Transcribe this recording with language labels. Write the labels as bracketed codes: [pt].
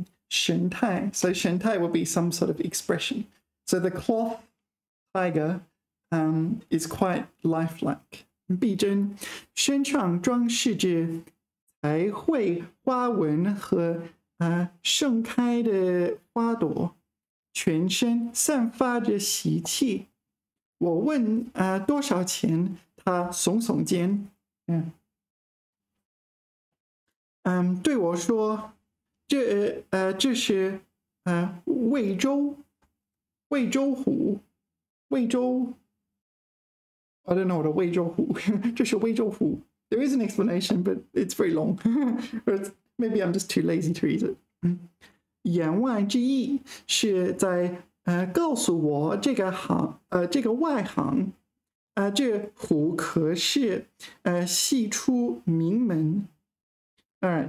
[en] 神态, so 神态 would be some sort of expression. So the cloth tiger is quite lifelike. [zh] 逼真, 身上装饰着彩绘花纹和 盛开的花朵, 全身散发着喜气, 我问 多少钱, 他耸耸肩, yeah. 对我说, 这, 这是 魏州虎, [en] I don't know what a 魏州虎, [zh] 这是魏州虎, [en] there is an explanation, but it's very long, but maybe I'm just too lazy to read it. [zh] 言外之意是在 告诉我这个行，这个外行，这虎可是系出名门。All